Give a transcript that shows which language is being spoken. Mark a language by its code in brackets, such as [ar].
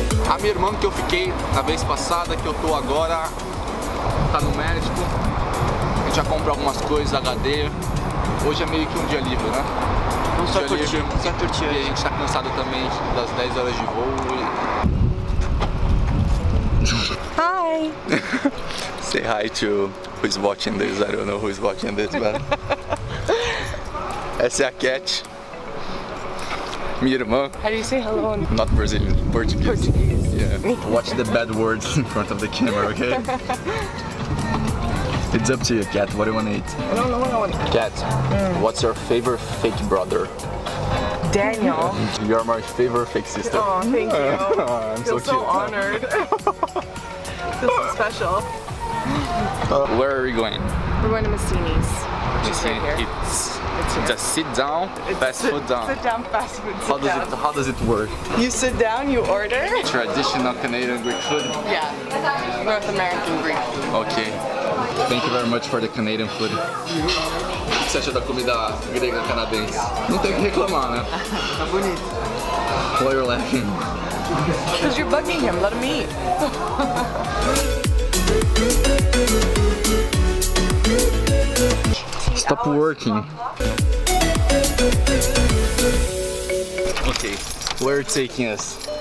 [pt] A minha irmã que eu fiquei na vez passada, que eu tô agora, tá no médico. A gente já comprou algumas coisas, HD. Hoje é meio que um dia livre, né? Vamos só curtir. E a gente tá cansado também das 10 horas de voo. [en] Hi! Say hi to who's watching this. I don't know who's watching this, but... [pt] Essa é a Cat. Minha irmã. [en] How do you say hello? Not Brazilian, Portuguese. Portuguese. Yeah. Watch the bad words in front of the camera, okay? It's up to you, Cat. What do you want to eat? I don't know what I want to eat. Cat, what's your favorite fake brother? Daniel. You're my favorite fake sister. Oh, thank you. I'm so cute. I feel so honored. This is special. Where are we going? We're going to Mastini's. Just right here. It's a sit down, fast food down. Sit down, fast food. How does it? How does it work? You sit down, you order. Traditional Canadian Greek food. Yeah, North American Greek food. Okay. Thank you very much for the Canadian food. [pt] O que você acha da comida grega canadense? Não tem que reclamar, né? Tá bonito. [en] Why are you laughing? Because you're bugging him, let him eat. Stop working. Okay, where are you taking us?